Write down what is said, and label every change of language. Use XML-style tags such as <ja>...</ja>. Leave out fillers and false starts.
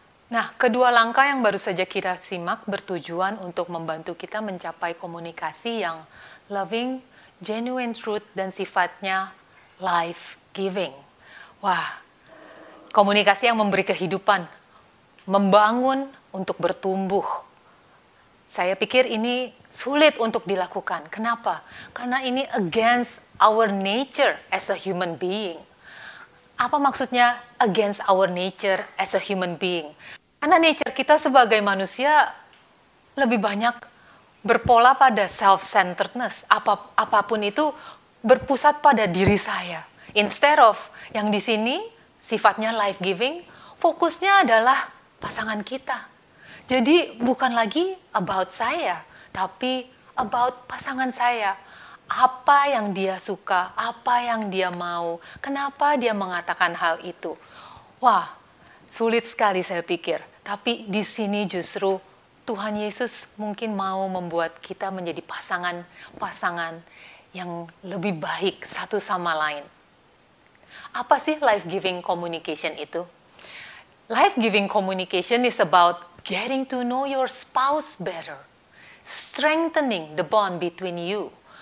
<id>Nah, kedua langkah yang baru saja kita simak bertujuan untuk membantu kita mencapai komunikasi yang</id> <en>loving, genuine truth,</en> <id>dan sifatnya</id> <en>life giving.</en> <id>Wah, komunikasi yang memberi kehidupan, membangun untuk bertumbuh. Saya pikir ini sulit untuk dilakukan. Kenapa? Karena ini</id> <en>against our nature as a human being.</en> <id>Apa maksudnya</id> <en>against our nature as a human being?</en> <id>Karena nature kita sebagai manusia lebih banyak berpola pada self-centeredness. Apapun itu berpusat pada diri saya.</id> <en>Instead of</en> <id>yang di sini sifatnya life-giving, fokusnya adalah pasangan kita. Jadi bukan lagi about saya, tapi about pasangan saya. Apa yang dia suka, apa yang dia mau, kenapa dia mengatakan hal itu. Wah, sulit sekali saya pikir. Tapi di sini justru Tuhan Yesus mungkin mau membuat kita menjadi pasangan-pasangan yang lebih baik satu sama lain. Apa sih</id> <en>life-giving communication</en> <id>itu?</id> <en>Life-giving communication is about getting to know your spouse better, strengthening the bond between you.</en>